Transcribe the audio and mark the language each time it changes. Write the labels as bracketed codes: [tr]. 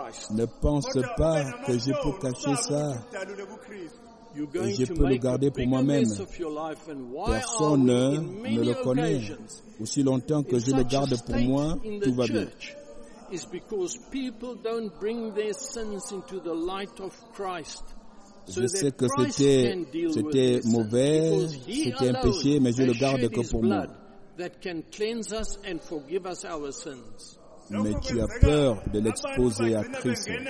[fr] Ne pense pas que je peux cacher ça et je peux le garder pour moi-même. Personne ne le connaît. Aussi longtemps que je le garde pour moi, tout va bien. [en] is because people don't bring their sins into the light of Christ. [fr] Je sais que c'était mauvais, c'était un péché, mais je le garde que pour moi. [en] That can cleanse us and forgive us our sins. [fr] Mais tu as peur de l'exposer à Christ.